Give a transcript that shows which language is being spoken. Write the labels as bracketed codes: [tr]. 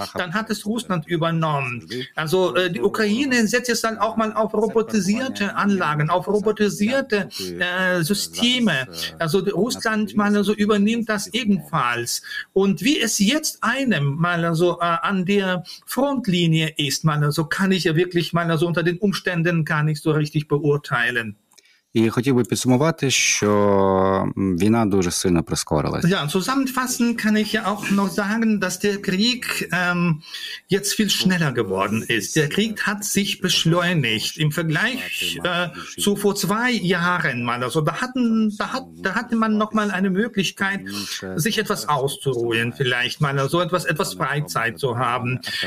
[de] Dann hat es Russland übernommen. Also die Ukraine setzt jetzt dann auch mal auf robotisierte Anlagen, auf robotisierte Systeme. Also Russland mal so übernimmt das ebenfalls. Und wie es jetzt einem mal so an der Frontlinie ist, mal so kann ich ja wirklich mal so unter den Umständen gar nicht so richtig beurteilen. [uk] І хотів би підсумувати, що війна дуже сильно прискорилась. [de] Ja, zusammenfassend kann ich ja auch noch sagen, dass der Krieg jetzt viel schneller geworden ist. Der Krieg hat sich beschleunigt im Vergleich zu vor 2 Jahren. Also da hatte man noch mal eine Möglichkeit, sich etwas auszuruhen, vielleicht mal so etwas Freizeit zu haben.